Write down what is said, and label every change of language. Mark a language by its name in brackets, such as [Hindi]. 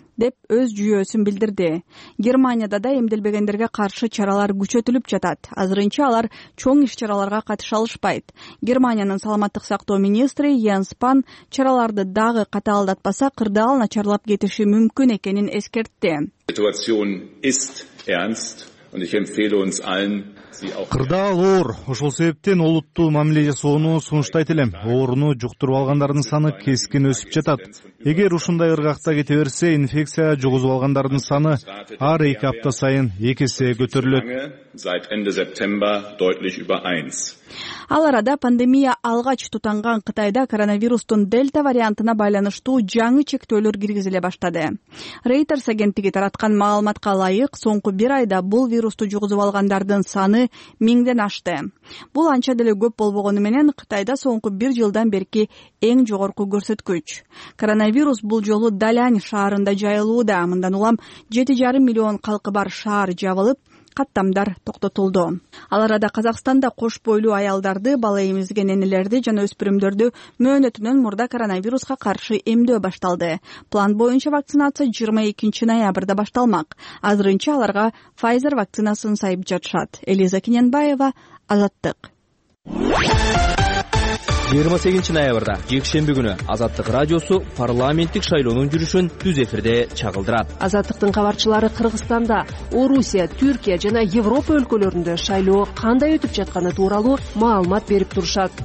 [Kyrgyz] деп өз жүйөсүн билдирди. Германияда да эмделбегендерге каршы чаралар күчөтүлүп жатат. Азырынча алар чоң иш-чараларга катыша алышпайт. Германиянын саламаттык сактоо министри Йенс Спан чараларды дагы катаалдатпаса кырдаал начарлап кетиши мүмкүн экенин эскертти. [German] Ситуация ist ernst und ich empfehle uns allen [Kyrgyz] Кырдаал оор, ошол себептен олуттуу мамиле жасоону сунуштайт элем. Оорну жуктуруп алгандардын саны кескин өсүп жатат. Эгер ушундай ыргакта кете берсе, инфекция жугузуп алгандардын саны ар эки апта сайын эки эсе көтөрүлөт. [German] Seit Ende September deutlich über 1. [Kyrgyz] Ал арада пандемия алгач тутанган Кытайда коронавирустун дельта вариантына байланыштуу жаңы чектөөлөр киргизиле баштады. Reuters агенттиги тараткан маалыматка ылайык, соңку бир айда бул вирусту жугузуп алгандардын саны миңден ашты. Бул анча деле көп болбогону менен Кытайда соңку бир жылдан берки эң жогорку көрсөткүч. Коронавирус бул жолу Далянь шаарында жайылууда. Мындан улам 7,5 миллион калкы бар шаар жабылып, каттамдар токтотулду. Ал арада Казакстанда кош бойлуу аялдарды, бала эмизген энелерди жана өспүрүмдөрдү мөөнөтүнөн мурда коронавируска каршы эмдөө башталды. План боюнча вакцинация 22 ноябрда башталмак. Азырынча аларга Pfizer вакцинасын сайып жатышат. Элиза Кененбаева, Азаттык. 28 ноябрда, жекшемби күнү Азаттык радиосу парламенттик шайлоонун жүрүшүн түз эфирде чагылдырат. Азаттыктын кабарчылары Кыргызстанда, Орусия, Түркия жана Европа өлкөлөрүндө шайлоо кандай өтүп жатканы тууралуу маалымат берип турушат.